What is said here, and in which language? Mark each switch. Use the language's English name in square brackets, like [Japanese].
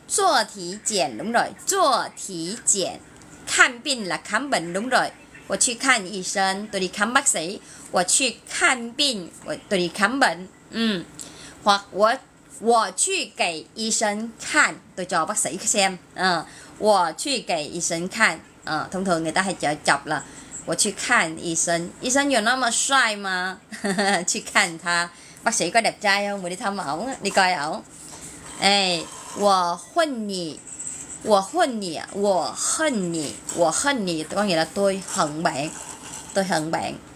[Chinese] 做体检, [Vietnamese] đúng rồi. [Chinese] 做体检. 看病 [Vietnamese] là khám bệnh, đúng rồi. [Chinese] 我去看医生, [Vietnamese] tôi đi khám bác sĩ. [Chinese] 我去看病, [Vietnamese] tôi đi khám bệnh. Hoặc [Chinese] 我去给医生看, [Vietnamese] tôi cho bác sĩ xem. [Chinese] 我去给医生看, [Vietnamese] thông thường người ta hay chọc là [Chinese] 我去看医生, 医生有那么帅吗? 去看他, [Vietnamese] bác sĩ có đẹp trai không? Mình đi thăm ổng, đi coi ổng. [Chinese] 我恨你, [Vietnamese] có nghĩa là tôi hận bạn. Tôi hận bạn.